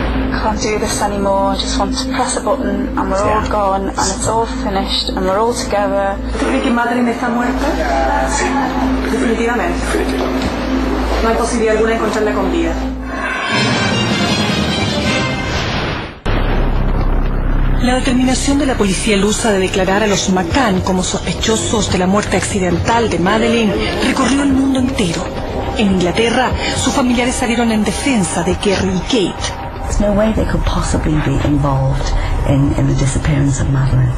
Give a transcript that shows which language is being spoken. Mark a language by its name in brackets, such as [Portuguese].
[English] I can't do this anymore, I just want to press a button and we're all gone and it's all finished and we're all together. [Spanish] ¿Cree que Madeleine está muerta? Sí. ¿Definitivamente? Definitivamente. No hay posibilidad alguna de encontrarla con vida. La determinación de la policía lusa de declarar a los McCann como sospechosos de la muerte accidental de Madeleine recorrió el mundo entero. En Inglaterra, sus familiares salieron en defensa de Gerry y Kate. [English] There's no way they could possibly be involved in the disappearance of Madeleine.